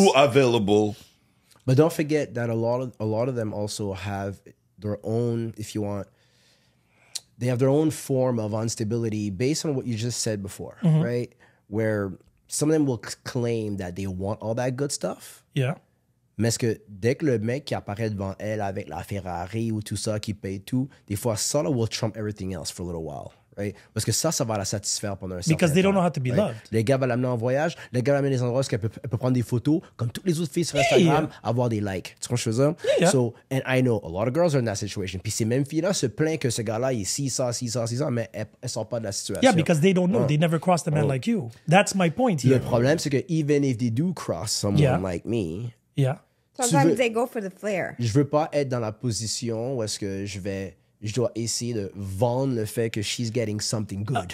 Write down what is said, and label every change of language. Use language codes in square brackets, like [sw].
[en] Too available. But don't forget that a lot of them also have their own, if you want, they have their own form of instability based on what you just said before, mm-hmm. right? Where some of them will claim that they want all that good stuff. Yeah. [fr] Mais est-ce que dès que le mec qui apparaît devant elle avec la Ferrari ou tout ça, qui paye tout, des fois, ça [en] will trump everything else for a little while, right? [fr] Parce que ça, ça va la satisfaire pendant un certain temps. [en] Because they don't know how to be loved. [fr] Les gars vont l'amener en voyage, les gars vont amener des endroits où elle peut prendre des photos, comme toutes les autres filles sur Instagram, avoir des likes. Tu comprends ce que je veux dire? [en] Yeah. So, and I know a lot of girls are in that situation. [fr] Puis ces mêmes filles-là se plaignent que ce gars-là, il sait ça, sait ça, sait ça, mais elles ne sortent pas de la situation. [en] Yeah, because they don't know. They never crossed a man like you. That's my point here. [fr] Le problème, c'est que [en] even if they do cross someone like me, sometimes they go for the flair. [fr] Je veux pas être dans la position où est-ce que je dois essayer de vendre le fait que [en] she's getting something good.